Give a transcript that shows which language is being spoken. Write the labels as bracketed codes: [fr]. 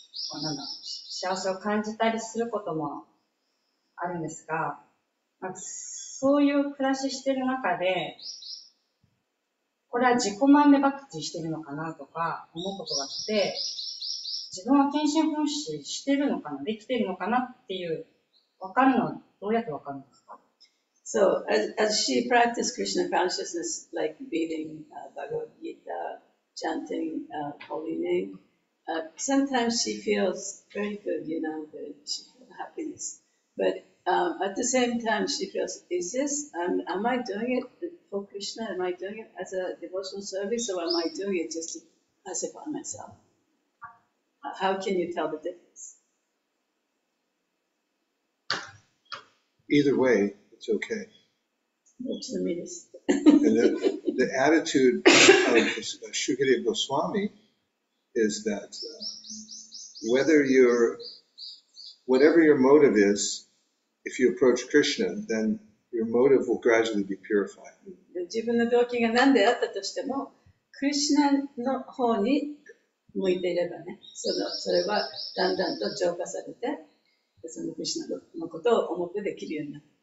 [ja] こうなんだ、幸せを感じたりすることもあるんですが、まあ、そういう暮らししてる中で、これは自己満目ばっかりしてるのかなとか思うことがあって、自分は献身奉仕してるのかな、できてるのかなっていう、わかるのはどうやってわかるんですか？ [en] So, as she practiced Krishna consciousness, like reading Bhagavad Gita, chanting holy name, sometimes she feels very good, you know, that she feels happiness. But at the same time, she feels, is this, am I doing it for Krishna? Am I doing it as a devotional service, or am I doing it just to pacify myself? How can you tell the difference? Either way, it's okay. And the attitude of Shukadev Goswami is that whatever your motive is, if you approach Krishna, then your motive will gradually be purified. [ja] 自分の動機が何であったとしても、クリシナの方に向いていればね、それはだんだんと浄化されて、そのクリシナのことを思ってできるようになる。